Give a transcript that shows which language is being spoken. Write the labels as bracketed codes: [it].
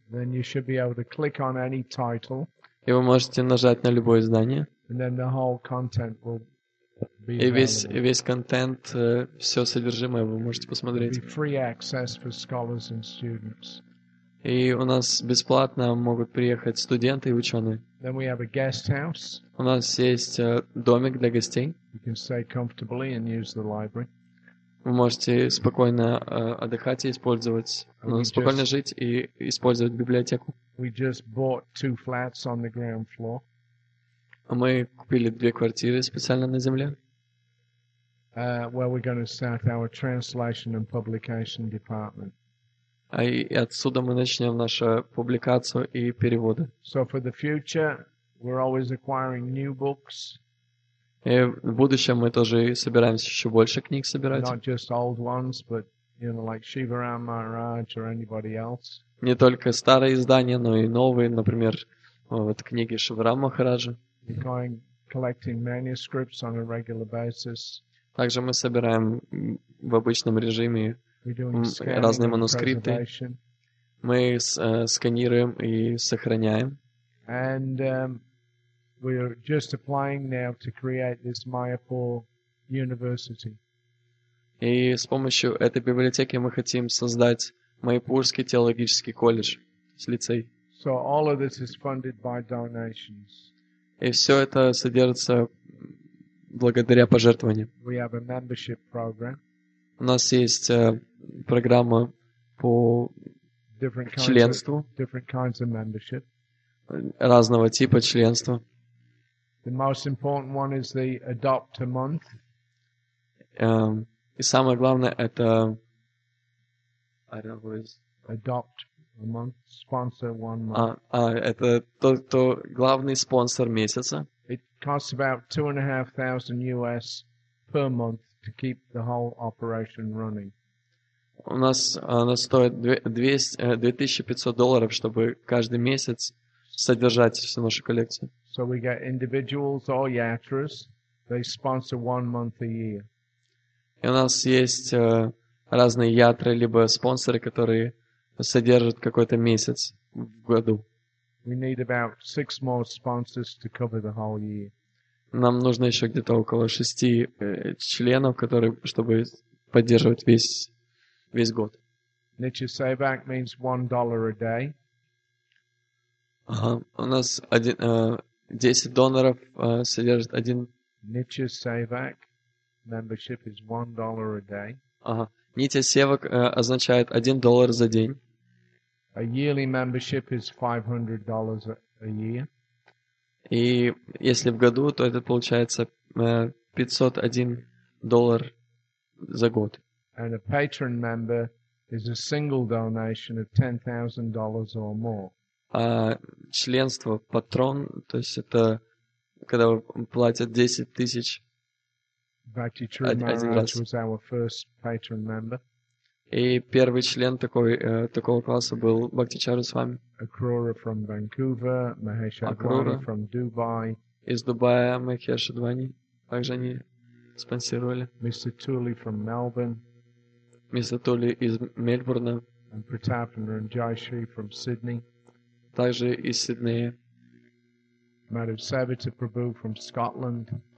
[en] Then you should be able to click on any title. [ru] И вы можете нажать на любое издание. [en] And then the whole content will. [ru] И весь контент, все содержимое вы можете посмотреть. [en] Free access for scholars and students. [ru] И у нас бесплатно могут приехать студенты и ученые. [en] Then we have a guest house. [ru] У нас есть домик для гостей. [en] You can stay comfortably and use the library. [ru] Вы можете спокойно отдыхать и использовать, ну, спокойно жить и использовать библиотеку. [en] We just bought two flats on the ground floor. [ru] Мы купили две квартиры специально на земле. [en] Where we're going to start our translation and publication department. [ru] И отсюда мы начнем нашу публикацию и переводы. [en] So for the future, we're always acquiring new books. [ru] И в будущем мы тоже собираемся еще больше книг собирать. [en] Not just old ones, but you know, like Shivaram Maharaj or anybody else. [ru] Не только старые издания, но и новые, например, вот книги Шиварама Махараджа. [en] We're going collecting manuscripts on a regular basis. [ru] Также мы собираем в обычном режиме разные манускрипты. Мы сканируем и сохраняем. [en] And we're just applying now to create this Mayapur University. [ru] И с помощью этой библиотеки мы хотим создать Майпурский теологический колледж с лицей. [en] So all of this is funded by donations. [ru] И все это содержится благодаря пожертвованиям. [en] We have a membership program. [ru] У нас есть программа по членству. [en] Different kinds of membership. [ru] Разного типа членства. [en] The most important one is the adopt a month. [ru] И самое главное это [en] adopt a month, sponsor one month. [ru] Это то главный спонсор месяца. [en] It costs about $2,500 US per month to keep the whole operation running. [ru] У нас она стоит $2,500, чтобы каждый месяц содержать всю нашу коллекцию. [en] So we get individuals or yatras, they sponsor one month a year. [ru] И у нас есть разные ятры либо спонсоры, которые содержат какой-то месяц в году. [en] We need about six more sponsors to cover the whole year. [ru] Нам нужно еще где-то около 6 членов, которые, чтобы поддерживать весь год. [en] Nitya Sevak means $1 a day. [ru] У нас 10 доноров содержит один. [en] Nitya Sevak membership is $1 a day. [ru] Нитя Севак означает $1 за день. [en] A yearly membership is $500 a year. [ru] И если в году, то это получается $501 за год. [en] And a patron member is a single donation of $10,000 or more. [ru] А членство патрон, то есть это когда платят 10 000. [en] Bhakti Trumaraj was our first patron member. [ru] И первый член такого класса был Бхакти Чару с вами. [en] Акрура from Vancouver, Mahesh Advani from Dubai. [ru] Из Дубая Махеш Адвани. Также они спонсировали. [en] Mr. Tully from Melbourne. [ru] Мистер Тули из Мельбурна. [en] And Pratap and Ranjayshree from Sydney. [ru] Также из Сиднея. [en] Madhav Savita Prabhu from Scotland.